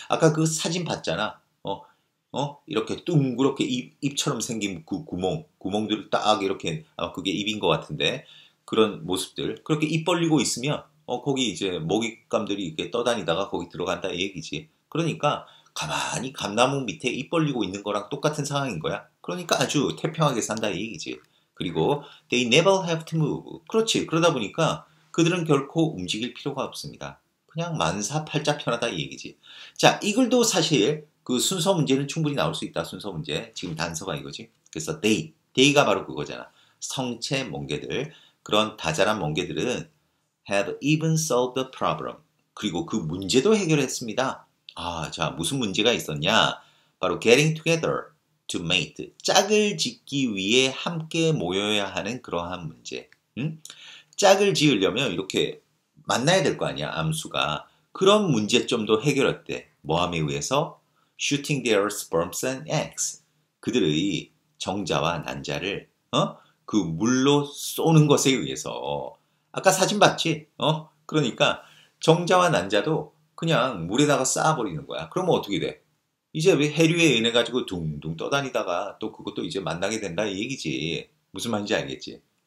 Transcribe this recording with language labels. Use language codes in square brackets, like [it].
[ko] 아까 그 사진 봤잖아. 이렇게 둥그렇게 입처럼 생긴 그 구멍들을 딱 이렇게, 아마 그게 입인 것 같은데. 그런 모습들. 그렇게 입 벌리고 있으면, 거기 이제 먹잇감들이 이렇게 떠다니다가 거기 들어간다 이 얘기지. 그러니까, 가만히 감나무 밑에 입 벌리고 있는 거랑 똑같은 상황인 거야. 그러니까 아주 태평하게 산다 이 얘기지. 그리고 [en] they never have to move. [ko] 그렇지. 그러다 보니까 그들은 결코 움직일 필요가 없습니다. 그냥 만사 팔자 편하다 이 얘기지. 자, 이 글도 사실 그 순서 문제는 충분히 나올 수 있다. 순서 문제. 지금 단서가 이거지. 그래서 [en] they [ko] 가 바로 그거잖아. 성체 멍게들. 그런 다자란 멍게들은 [en] have even solved the problem. [ko] 그리고 그 문제도 해결했습니다. 아, 자, 무슨 문제가 있었냐? 바로 [en] getting together to mate. [ko] 짝을 짓기 위해 함께 모여야 하는 그러한 문제. 응? 짝을 지으려면 이렇게 만나야 될거 아니야, 암수가. 그런 문제 좀도 해결 어때? 모함에 의해서 [en] shooting their sperms and eggs. [ko] 그들의 정자와 난자를 그 물로 쏘는 것에 의해서. 아까 사진 봤지? 그러니까 정자와 난자도 그냥 물에다가 쌓아버리는 거야. 그러면 어떻게 돼? 이제 왜 해류에 의해 가지고 둥둥 떠다니다가 또 그것도 이제 만나게 된다 이 얘기지. 무슨 말인지 알겠지?